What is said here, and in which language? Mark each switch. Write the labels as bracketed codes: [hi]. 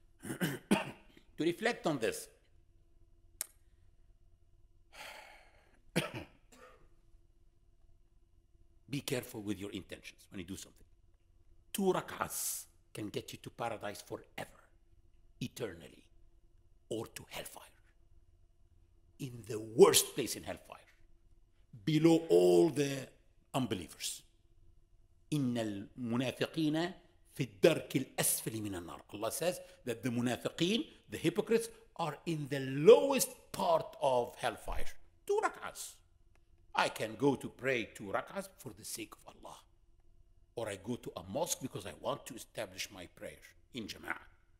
[en] To reflect on this, be careful with your intentions when you do something. Two rak'ahs can get you to paradise forever, eternally, or to hellfire. In the worst place in hellfire, below all the unbelievers. [ar] إِنَّ الْمُنَافِقِينَ في الدرك الأسفل من النار. [en] Allah says that the munafiqeen, the hypocrites, are in the lowest part of hellfire. Two rak'ahs. I can go to pray two rak'ahs for the sake of Allah. Or I go to a mosque because I want to establish my prayer in jama'ah.